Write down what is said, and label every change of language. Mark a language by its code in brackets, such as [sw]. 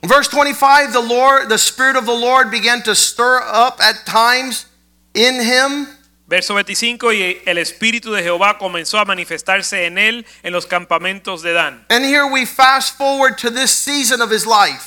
[en] Verse 25, the Spirit of the Lord began to stir up at times in him. [es] Verso 25, y el Espíritu de Jehová comenzó a manifestarse en él en los campamentos de Dan. [en] And here we fast forward to this season of his life.